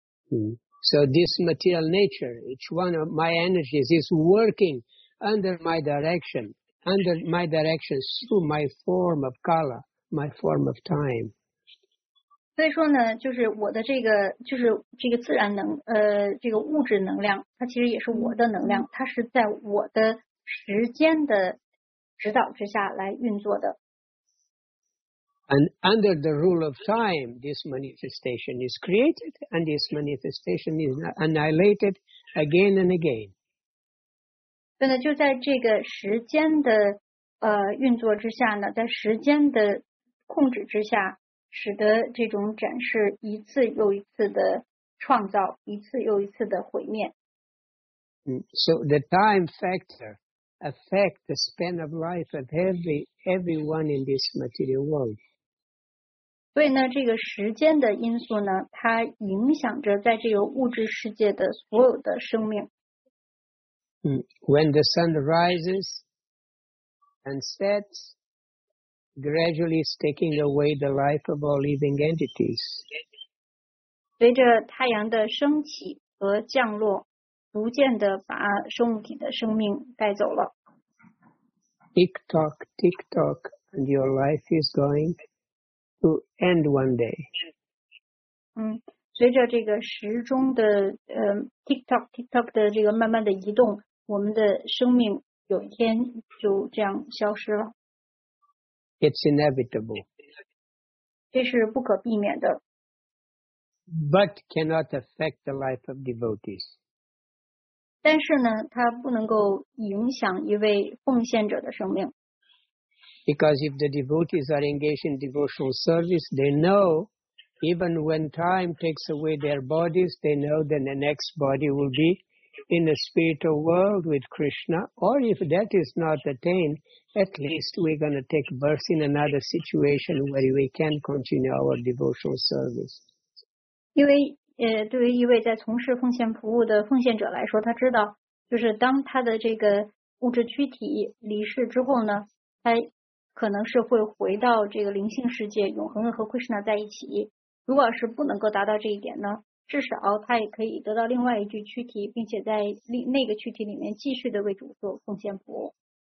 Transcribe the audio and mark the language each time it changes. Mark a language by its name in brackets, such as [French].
[English] So this material nature, each one of my energies is working under my direction, through my form of kala, my form of time. [Chinese] 所以说呢，就是我的这个，就是这个自然能，这个物质能量，它其实也是我的能量，它是在我的时间的指导之下来运作的。 [English] And under the rule of time, this manifestation is created, and this manifestation is annihilated again and again. [Chinese] 对呢，就在这个时间的运作之下呢，在时间的控制之下，使得这种展示一次又一次的创造，一次又一次的毁灭。 [English] So the time factor affects the span of life of everyone in this material world. [Chinese] 所以呢，这个时间的因素呢，它影响着在这个物质世界的所有的生命。 [English] When the sun rises and sets, gradually is taking away the life of all living entities. [Chinese] 随着太阳的升起和降落，逐渐的把生物体的生命带走了。 [English] Tick tock, tick tock, and your life is going. To end one day. [Chinese] 随着这个时钟的tick tock 的这个慢慢的移动，我们的生命有一天就这样消失了。 [English] It's inevitable. [Chinese] 这是不可避免的。 [English] But cannot affect the life of devotees. [Chinese] 但是呢，它不能够影响一位奉献者的生命。 [English] Because if the devotees are engaged in devotional service, they know, even when time takes away their bodies, they know that the next body will be in a spiritual world with Krishna. Or if that is not attained, at least we're going to take birth in another situation where we can continue our devotional service. [Chinese] 因为对于一位在从事奉献服务的奉献者来说，他知道，就是当他的这个物质躯体离世之后呢，他可能是会回到这个灵性世界，永恒的和 Krishna 在一起。如果是不能够达到这一点呢，至少他也可以得到另外一具躯体，并且在那个躯体里面继续的为主做奉献服务。